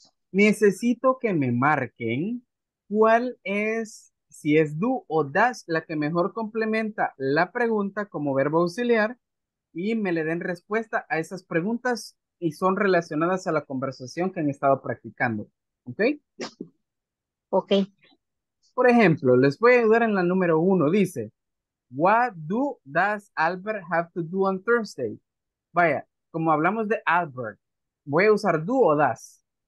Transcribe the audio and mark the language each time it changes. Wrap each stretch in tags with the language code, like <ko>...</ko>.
<es>Necesito que me marquen cuál es, si es do o does, la que mejor complementa la pregunta como verbo auxiliar y me le den respuesta a esas preguntas y son relacionadas a la conversación que han estado practicando, ¿ok? Ok. Por ejemplo, les voy a ayudar en la número 1, dice...</es> <en>What do does Albert have to do on Thursday?</en> <es>Vaya, como hablamos de Albert, voy a usar do o does.</es>